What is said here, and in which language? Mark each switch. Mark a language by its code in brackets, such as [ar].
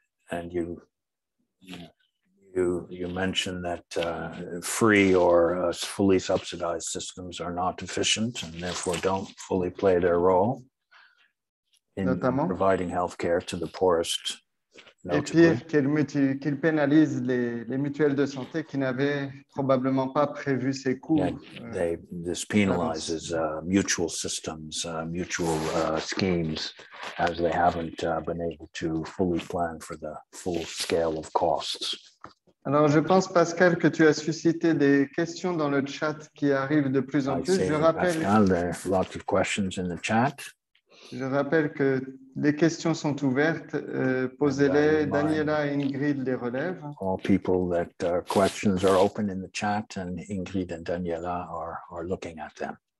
[en] And you mentioned that free or fully subsidized systems are not efficient and therefore don't fully play their role in notamment providing healthcare to the poorest. [fr] Et pire, qu'ils pénalisent les mutuelles de santé qui n'avaient probablement pas prévu ces coûts. [en] Yeah, this penalizes mutual systems, mutual schemes, as they haven't been able to fully plan for the full scale of costs. [fr] Alors, je pense, Pascal, que tu as suscité des questions dans le chat qui arrivent de plus en plus. [en] There are lots of questions in the chat. [fr] Je rappelle que les questions sont ouvertes. Posez-les. Daniela et Ingrid les relèvent. [en] All people that questions are open in the chat, and Ingrid and Daniela are looking at them.